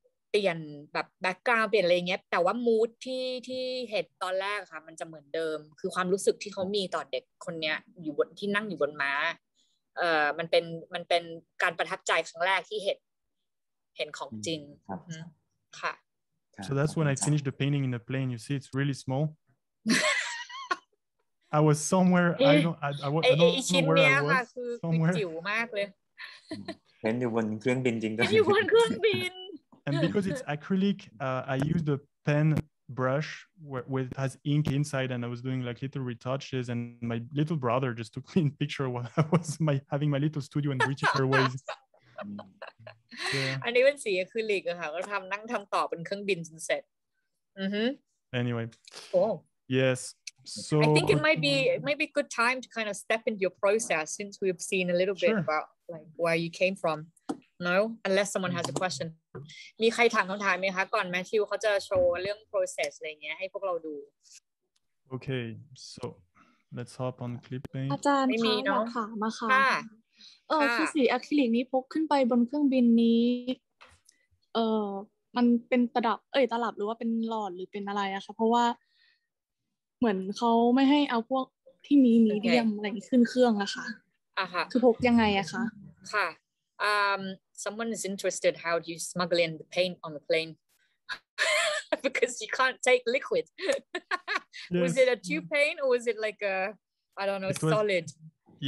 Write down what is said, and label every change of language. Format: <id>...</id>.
<th>เปลี่ยนแบบแบ็กกราวด์เปลี่ยนอะไรเงี้ยแต่ว่ามูทที่เห็นตอนแรกค่ะมันจะเหมือนเดิมคือความรู้สึกที่เขามีต่อเด็กคนนี้อยู่บนที่นั่งอยู่บนม้ามันเป็นการประทับใจครั้งแรกที่เห็นของจริงค่ะ</th> <en>so that's when I finished the painting in the plane you see it's really small I was somewhere I don't know where I was</en> <th>จิ๋วมากเลย เห็นอยู่บนเครื่องบินจริงก็อยู่บนเครื่องบิน</th> <en>and because it's acrylic I used a pen brush where it has ink inside and I was doing like little retouches and my little brother just took me in picture while I was my having my little studio in British Airways</en> <th>อันนี้เป็นสีอะคริลิกอะค่ะก็ทำต่อเป็นเครื่องบินจนเสร็จ</th> <en>anyway oh yes so I think it might be good time to kind of step into your process since we've seen a little bit about like where you came from no unless someone has a question</en> <th>มีใครถามคำถามไหมคะก่อนแมทธิวเขาจะโชว์เรื่อง process อะไรเงี้ยให้พวกเราดู</th> <en>okay so let's hop on clipping</en> <th>อาจารย์ไม่มีเนาะถามมาค่ะ ค่ะ คือสีอะคริลิกนี้พกขึ้นไปบนเครื่องบินนี้มันเป็นตลับเอ้ยตลับหรือว่าเป็นหลอดหรือเป็นอะไรอะคะเพราะว่าเหมือนเขาไม่ให้เอาพวกที่มีมีเดียมอะไรขึ้นเครื่องอะค่ะ อ่ ะค่ะ คือพกยังไงอะคะ ค่ะ</th> <en>someone is interested how do you smuggle in the paint on the plane because you can't take liquid yes. Was it a tube paint or was it like a I don't know it solid was,</en>